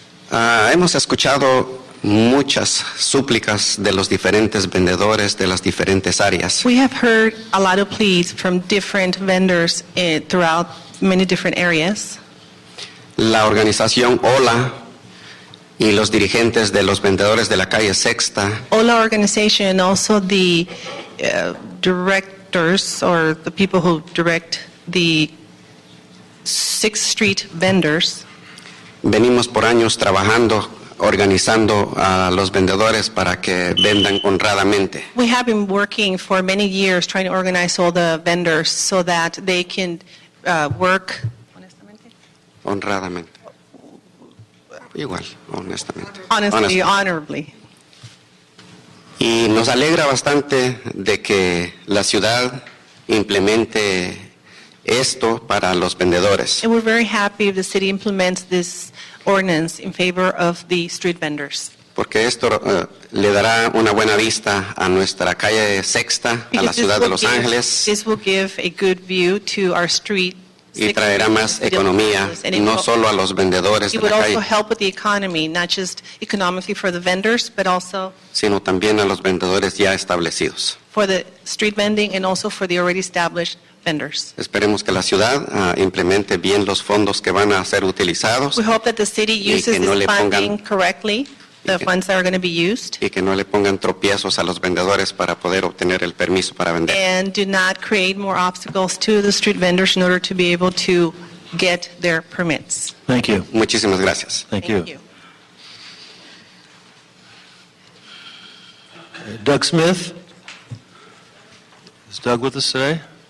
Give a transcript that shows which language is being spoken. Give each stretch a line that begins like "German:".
Spanish: Hemos escuchado muchas súplicas de los diferentes vendedores de las diferentes áreas.
English: We have heard a lot of pleas from different vendors throughout many different areas.
Spanish: La organización OLA y los dirigentes de los vendedores de la calle Sexta.
English: OLA organization and also the directors or the people who direct the Sixth Street vendors.
Spanish: Venimos por años trabajando organizando a los vendedores para que vendan honradamente.
English: We have been working for many years trying to organize all the vendors so that they can work
Spanish: honradamente. Igual, honestamente.
English: Honestly, honorably.
Spanish: Y nos alegra bastante de que la ciudad implemente esto para los vendedores.
English: And we're very happy if the city implements this ordinance in favor of the street vendors.
Spanish: Porque esto le dará una buena vista a nuestra calle Sexta, a la ciudad de Los Ángeles.
English: This will give a good view to our street.
Spanish: Y traerá más economía, no solo a los vendedores de la calle.
English: It would also help with the economy, not just economically for the vendors, but also
Spanish: sino también a los vendedores ya establecidos.
English: For the street vending and also for the already established vendors.
Spanish: Esperemos que la ciudad implemente bien los fondos que van a ser utilizados.
English: We hope that the city uses this funding correctly, the funds that are going to be used.
Spanish: Y que no le pongan tropiezos a los vendedores para poder obtener el permiso para vender.
English: And do not create more obstacles to the street vendors in order to be able to get their permits. Thank you.
Spanish: Muchísimas gracias.
English: Thank you. Doug Smith. Is Doug with us today?